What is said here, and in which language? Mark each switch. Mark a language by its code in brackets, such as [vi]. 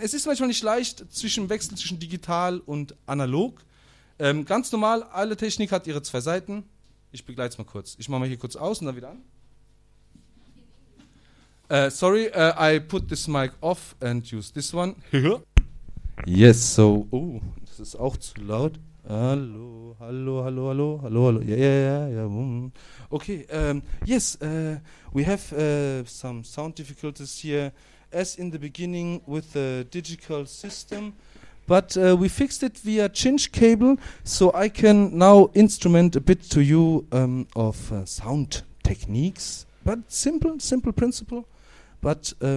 [de] Es ist manchmal nicht leicht, zwischen Wechsel zwischen digital und analog. Ganz normal, alle Technik hat ihre zwei Seiten. Ich begleite es mal kurz. Ich mache mal hier kurz aus und dann wieder an. [en] Sorry, I put this mic off and use this one. Yes, so, oh, [de] das ist auch zu laut. Hallo, hallo, hallo, hallo, hallo, hallo, yeah. [en] Okay, yes, we have some sound difficulties here, as in the beginning with the digital system, but we fixed it via chinch cable, so I can now instrument a bit to you of sound techniques, but simple principle, but